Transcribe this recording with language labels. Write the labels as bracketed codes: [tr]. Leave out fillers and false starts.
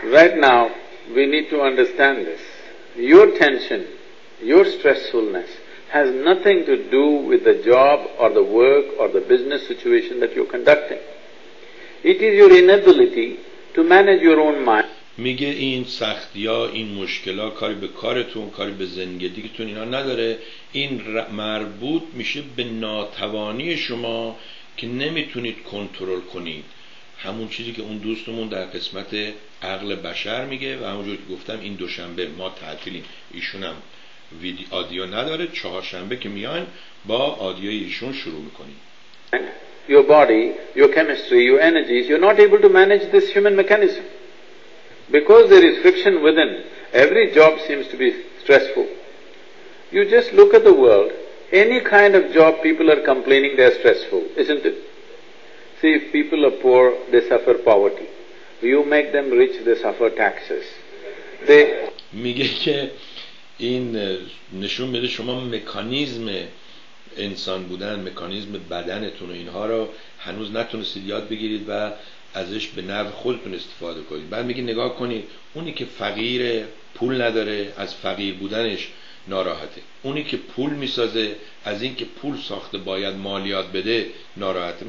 [en] Right now, we need to understand this. Your tension, your stressfulness has nothing to do with the job or the work or the business situation that you're conducting. It is your inability to manage your own mind. [fa] میگه این سختی ها، این مشکل ها کاری به کارتون، کاری به زندگیتون اینا نداره. این مربوط میشه به ناتوانی شما که نمیتونید کنترل کنید. همون چیزی که اون دوستمون در قسمت عقل بشر میگه و همونجور که گفتم این دوشنبه ما تعطیلیم، ایشونم آدیو نداره، چهارشنبه که میان با آدیوی ایشون شروع میکنیم. [en] Your body, your chemistry, your energies, you're not able to manage this human mechanism. Because there is friction within, every job seems to be stressful. You just look at the world, any kind of job people are complaining they are stressful, isn't it? See, if people are poor, they suffer poverty. You make them rich, they suffer taxes. They... [fa] میگه که این نشون میده شما مکانیزم انسان بودن، مکانیزم بدنتون و اینها رو هنوز نتونستید یاد بگیرید و ازش به نفع خودتون استفاده کنید. بعد میگه نگاه کنید، اونی که فقیر پول نداره از فقیر بودنش ناراحته، اونی که پول میسازه از اینکه پول ساخته باید مالیات بده ناراحته.